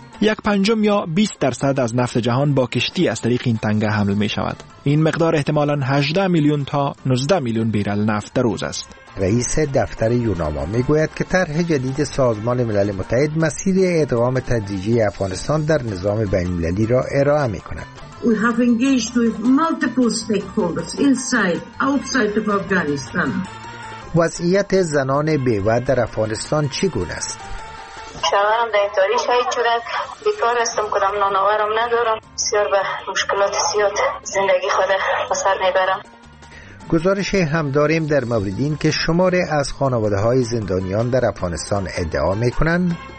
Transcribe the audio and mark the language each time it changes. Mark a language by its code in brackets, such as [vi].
[fa] 1/5 یا 20% از نفت جهان با کشتی از طریق این تنگه حمل می شود. این مقدار احتمالاً 18 میلیون تا 19 میلیون بیرل نفت در روز است. رئیس دفتر یوناما می گوید که طرح جدید سازمان ملل متحد مسیر ادغام تدریجی افغانستان در نظام بین المللی را ارائه می کند. [en] We have engaged with multiple stakeholders inside, outside of Afghanistan. [fa] وضعیت زنان بیوه در افغانستان چگونه است؟ شوهرم دهداری شهید شده است. بیکار هستم، کدام نانوارم ندارم. بسیار به مشکلات زیاد زندگی خود بسر میبرم. گزارش هم داریم در مورد این که شماره از خانواده های زندانیان در افغانستان ادعا میکنند